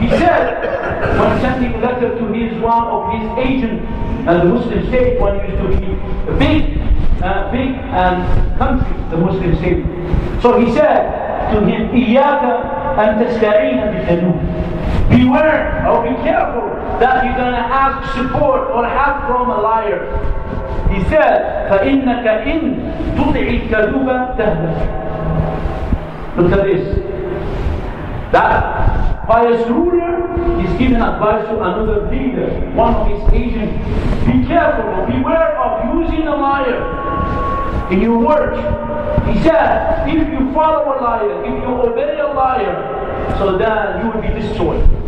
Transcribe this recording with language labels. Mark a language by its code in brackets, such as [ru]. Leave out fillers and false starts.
[en] He said, when sending a letter to his one of his agents, and the Muslim state, when it used to be a big and country, the Muslim state. [ar] So he said to him, Iyaka and Tastareen and Tanoon. [en] Beware or be careful that you're going to ask support or help from a liar. He said, [ar] فَإِنَّكَ إِن تُطِعِ الْكَذُوبَ تَهْلَكَ. [en] Look at this. That pious ruler is giving advice to another leader, one of his agents. Be careful, beware of using a liar in your work. He said, if you follow a liar, if you obey a liar, so then you will be destroyed.